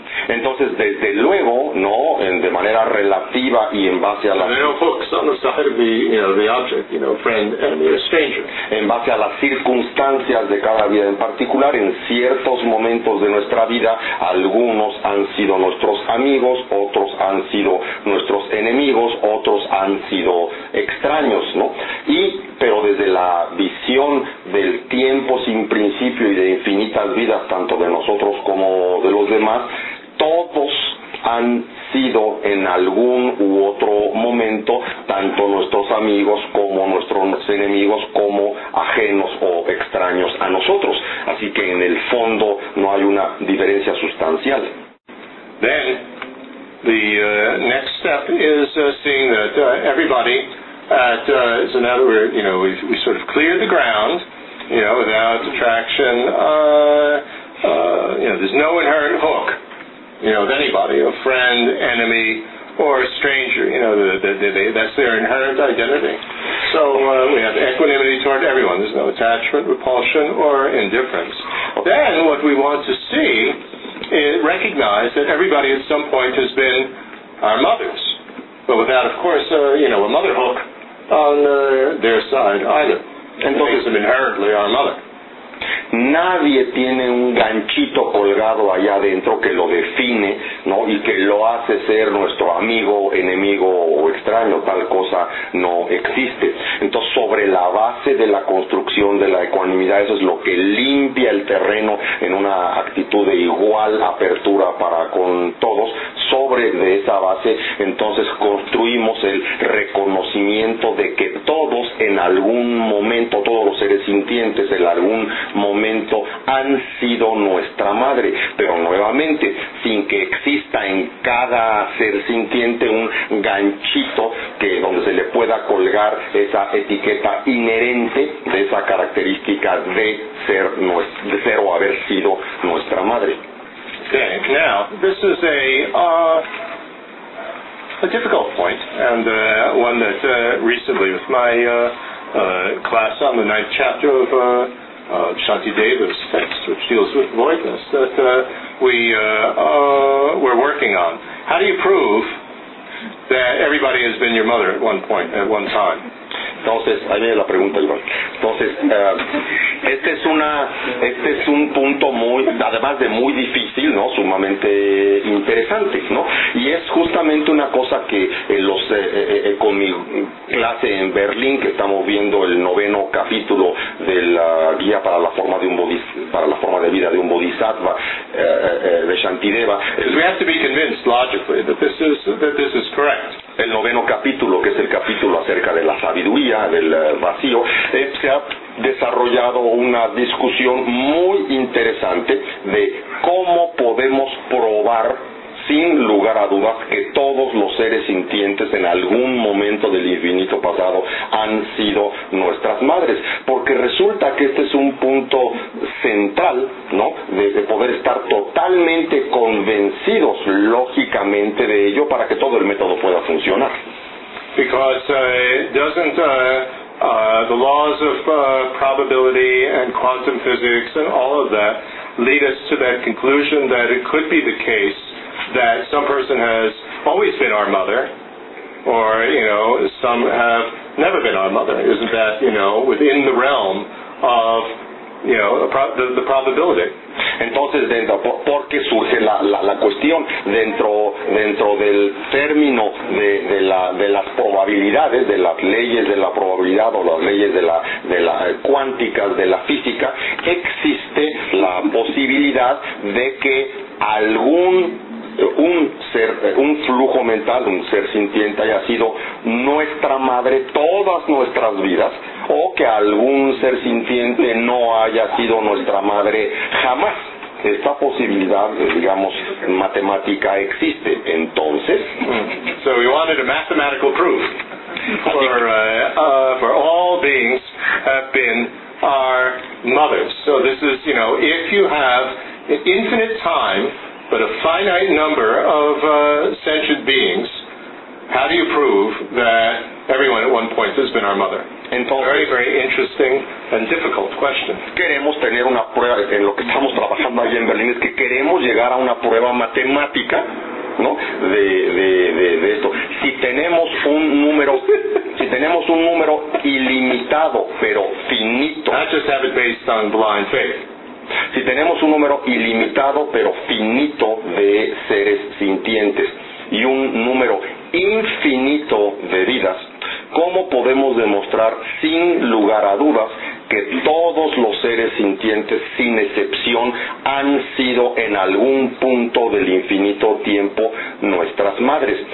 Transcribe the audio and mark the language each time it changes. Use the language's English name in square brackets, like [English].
[Spanish] Entonces, desde luego, ¿no?, de manera relativa y en base a las... [English] And they don't focus on the side of the, you know, the object, you know, friend, enemy, or stranger. [Spanish] En base a las circunstancias de cada vida en particular, en ciertos momentos de nuestra vida, algunos han sido nuestros amigos, otros han sido nuestros enemigos, otros han sido extraños, ¿no? Y, pero desde la visión del tiempo sin principio y de infinitas vidas, tanto de nosotros como de los demás, todos han sido en algún u otro momento tanto nuestros amigos como nuestros enemigos, como ajenos o extraños a nosotros. Así que en el fondo no hay una diferencia sustancial. [English] Then the next step is seeing that everybody at so now that we're, you know, we sort of cleared the ground, you know, without attraction, you know, there's no inherent hook, you know, of anybody, a friend, enemy, or a stranger, you know, that's their inherent identity. So we have equanimity toward everyone. There's no attachment, repulsion, or indifference. Then what we want to see is recognize that everybody at some point has been our mothers, but without, of course, you know, a mother hook on their side either. And it makes them inherently our mother. [Spanish] Nadie tiene un ganchito colgado allá adentro que lo define, ¿no?, y que lo hace ser nuestro amigo, enemigo o extraño. Tal cosa no existe. Entonces, sobre la base de la construcción de la ecuanimidad, eso es lo que limpia el terreno en una actitud de igual apertura para con todos. Sobre de esa base, entonces construimos el reconocimiento de que todos en algún momento, todos los seres sintientes en algún momento han sido nuestra madre, pero nuevamente sin que exista en cada ser sintiente un ganchito que donde se le pueda colgar esa etiqueta inherente de esa característica de ser nuestro, de ser o haber sido nuestra madre. [English] Okay, now this is a difficult point and one that recently with my class on the ninth chapter of Shanti Deva's text, which deals with voidness, that we're working on. How do you prove that everybody has been your mother at one point, at one time? [Spanish] Entonces, ahí viene la pregunta, Iván. Entonces, este es un punto muy, además de muy difícil, ¿no?, sumamente interesante, ¿no? Y es justamente una cosa que con mi clase en Berlín, que estamos viendo el noveno capítulo de la guía para la forma de vida de un bodhisattva, de Shantideva. [English] We have to be convinced logically that this is correct. [Spanish] El noveno capítulo, que es el capítulo acerca de la sabiduría, del vacío, se ha desarrollado una discusión muy interesante de cómo podemos probar sin lugar a dudas que todos los seres sintientes en algún momento del infinito pasado han sido nuestras madres, porque resulta que este es un punto central, ¿no?, de poder estar totalmente convencidos lógicamente de ello para que todo el método pueda funcionar. [English] Because the laws of probability and quantum physics and all of that lead us to that conclusion that it could be the case that some person has always been our mother, or, you know, some have never been our mother. Isn't that, you know, within the realm of, you know, the probability? [Spanish] Entonces, dentro, porque surge la cuestión dentro del término de las probabilidades, de las leyes de la probabilidad o las leyes de la cuántica, de la física, existe la posibilidad de que un flujo mental, un ser sintiente haya sido nuestra madre todas nuestras vidas, o que algún ser sintiente no haya sido nuestra madre jamás. Esta posibilidad, digamos, matemática existe. Entonces, [English] so we wanted a mathematical proof for all beings have been our mothers. So this is, you know, if you have an infinite time but a finite number of sentient beings, how do you prove that everyone at one point has been our mother? [Spanish] Entonces, [English] very, very interesting and difficult question. [Spanish] Queremos tener una prueba, en lo que estamos trabajando allí en Berlín, es que queremos llegar a una prueba matemática, ¿no?, de esto. Si tenemos un número ilimitado, pero finito. [English] Not just have it based on blind faith. [Spanish] Si tenemos un número ilimitado pero finito de seres sintientes y un número infinito de vidas, ¿cómo podemos demostrar sin lugar a dudas que todos los seres sintientes sin excepción han sido en algún punto del infinito tiempo nuestras madres?